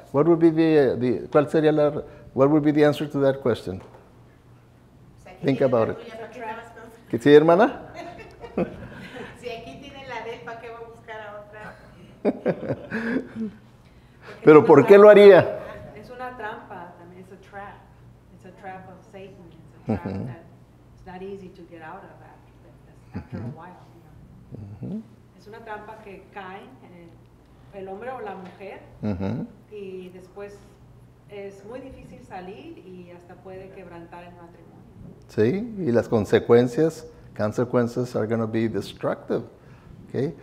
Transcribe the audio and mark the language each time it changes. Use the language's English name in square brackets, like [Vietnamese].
[English] What would be the answer to that question? Sexual Think about it. [Spanish] ¿Qué sí, hermana? Si aquí tiene la de él, ¿para qué va a buscar a otra? ¿Pero por qué lo haría? Es una trampa. [English] I mean, it's a trap. It's a trap of Satan. It's a trap that it's not easy to get out of after a while. [Spanish] Es una trampa que cae en el hombre o la mujer y después es muy difícil salir y hasta puede quebrantar el matrimonio. Sí, y las consecuencias, [English] consequences are going to be destructive. Okay?